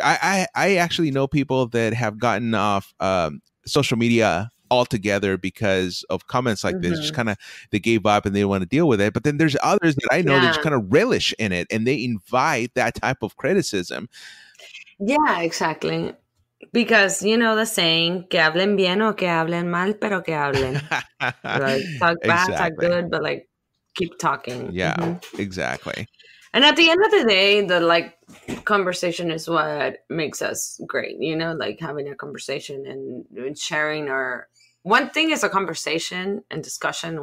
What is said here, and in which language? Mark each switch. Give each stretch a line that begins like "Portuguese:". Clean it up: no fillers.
English: I actually know people that have gotten off social media altogether because of comments like this. Just kind of, they gave up and they want to deal with it. But then there's others that I know that just kind of relish in it, and they invite that type of criticism. Yeah, exactly. Because, you know, the saying,
Spanish: que hablen bien o que hablen mal, pero que hablen.
English: Like, talk bad, exactly. Talk good, but like, keep talking. Yeah, exactly. And at the end of the day, the like conversation is what makes us great, you know, like having a conversation and sharing our, one thing is a conversation and discussion.